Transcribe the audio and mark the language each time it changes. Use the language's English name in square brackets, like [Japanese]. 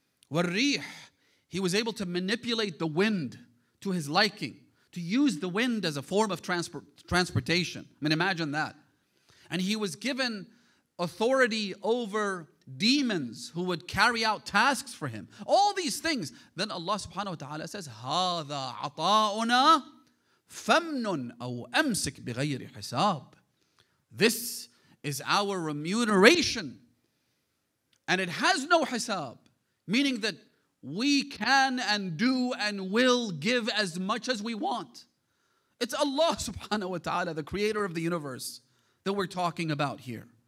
[English] Wal-rih, he was able to manipulate the wind to his liking, to use the wind as a form of transportation. I mean, imagine that. And he was given authority over demons who would carry out tasks for him. All these things. Then Allah subhanahu wa ta'ala says, [Arabic] هَذَا عَطَاؤُنَا فَمْنٌ أَوْ أَمْسِكْ بِغَيْرِ حِسَابٍ. [English] This is our remuneration. And it has no hisab. Meaning that we can and do and will give as much as we want. It's Allah subhanahu wa ta'ala, the creator of the universe, that we're talking about here.